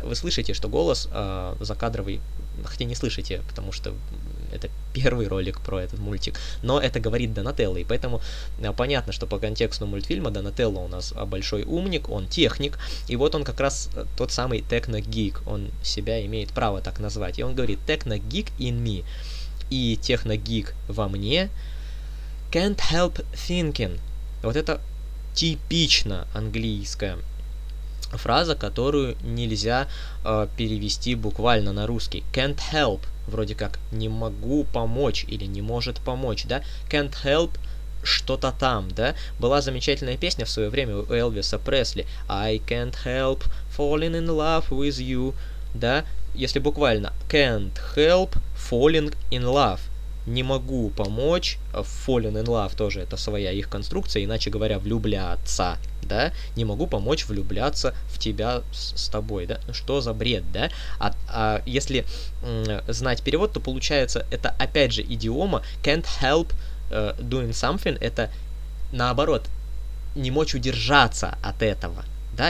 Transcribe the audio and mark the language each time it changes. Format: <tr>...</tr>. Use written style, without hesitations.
<ru>Вы слышите, что голос закадровый, хотя не слышите, потому что это первый ролик про этот мультик, но это говорит Донателло, и поэтому понятно, что по контексту мультфильма Донателло у нас большой умник, он техник, и вот он как раз тот самый техногик, он себя имеет право так назвать, и он говорит «Техногик</ru> <en>in me»</en> <ru>и «Техногик во мне»</ru> <en>«Can't help thinking».</en> <ru>Вот это типично английское фраза, которую нельзя перевести буквально на русский.</ru> <en>Can't help.</en> <ru>Вроде как не могу помочь или не может помочь, да?</ru> <en>Can't help</en> <ru>что-то там, да? Была замечательная песня в свое время у Элвиса Пресли.</ru> <en>I can't help falling in love with you,</en> <ru>да? Если буквально</ru> <en>can't help falling in love.</en> <ru>Не могу помочь,</ru> <en>falling in love</en> <ru>тоже это своя их конструкция, иначе говоря, влюбляться, да? Не могу помочь влюбляться в тебя с тобой, да? Что за бред, да? А если знать перевод, то получается, это опять же идиома</ru> <en>can't help doing something,</en> <ru>это наоборот, не мочь удержаться от этого, да?</ru>